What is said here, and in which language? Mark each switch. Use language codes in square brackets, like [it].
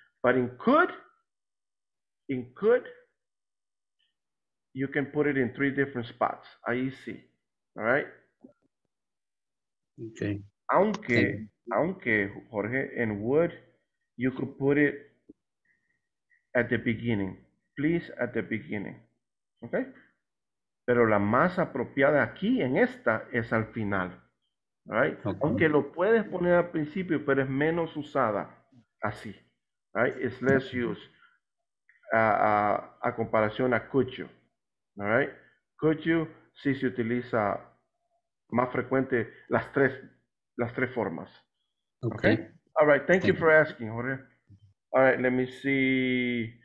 [en] But in could, you can put it in three different spots. [es] Ahí sí. [en] All right? Okay. Aunque, Jorge, in would, you could put it at the beginning, please at the beginning, okay? [es] Pero la más apropiada aquí en esta es al final, all right? Okay. Aunque lo puedes poner al principio, pero es menos usada así, right? [en] It's less used [es] a comparación a [en] could you, all right? [es] Could you sí se utiliza más frecuente las tres formas, [en] okay? All right, thank you for asking, Jorge. All right, let me see.